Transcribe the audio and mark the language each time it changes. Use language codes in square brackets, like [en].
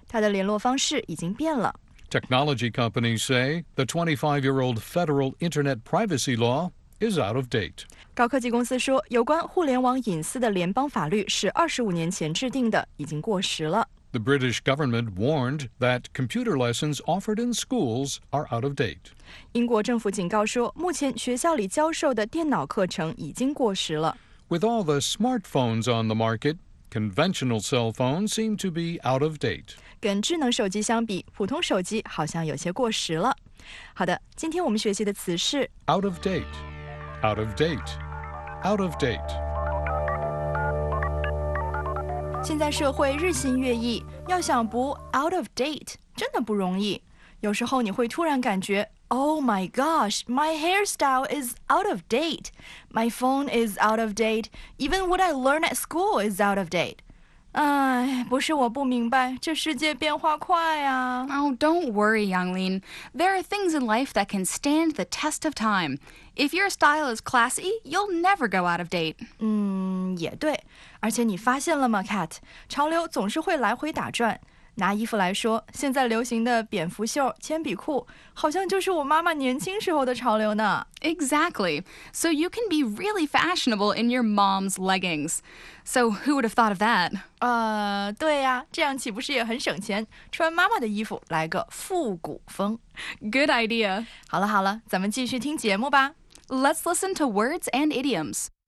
[zh] 他的联络方式已经变了。 [en] Technology companies say the 25-year-old federal internet privacy law is out of date. [zh] 高科技公司说，有关互联网隐私的联邦法律是25年前制定的，已经过时了。 [en] The British government warned that computer lessons offered in schools are out of date. [zh] 英国政府警告说，目前学校里教授的电脑课程已经过时了。 [en] With all the smartphones on the market, conventional cell phones seem to be out of date. [zh] 跟智能手机相比，普通手机好像有些过时了。好的，今天我们学习的词是 [en] out of date. Out of date, out of date. [zh] 现在社会日新月异，要想不 out of date 真的不容易。有时候你会突然感觉 [en] Oh my gosh, my hairstyle is out of date. My phone is out of date. Even what I learn at school is out of date. [zh] 哎，不是我不明白，这世界变化快啊。 [en] Oh, don't worry, Yanglin. There are things in life that can stand the test of time. If your style is classy, you'll never go out of date. [zh] 也对。而且你发现了吗 ,Kat? 潮流总是会来回打转。拿衣服来说，现在流行的蝙蝠袖、铅笔裤，好像就是我妈妈年轻时候的潮流呢。 [en] Exactly. So you can be really fashionable in your mom's leggings. So who would have thought of that? [zh] 对呀，这样岂不是也很省钱？穿妈妈的衣服来个复古风。 [en] Good idea. [zh] 好了好了，咱们继续听节目吧。 [en] Let's listen to words and idioms.